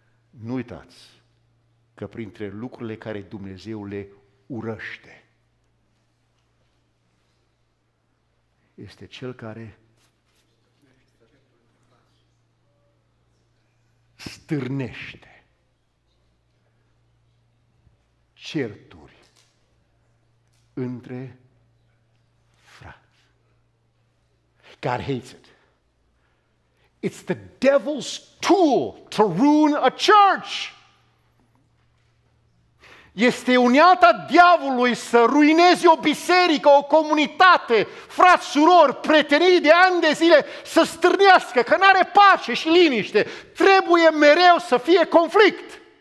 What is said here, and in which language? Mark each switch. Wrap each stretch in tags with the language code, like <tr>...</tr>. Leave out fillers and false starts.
<ro>Nu uitați că printre lucrurile care Dumnezeu le urăște este cel care stârnește certuri între frați.</ro> <en>God hates it. It's the devil's tool to ruin a church.</en> <ro>Este uneata diavolului să ruineze o biserică, o comunitate, frați, surori, prietenii de ani de zile, să stârnească, că n-are pace și liniște. Trebuie mereu să fie conflict.</ro>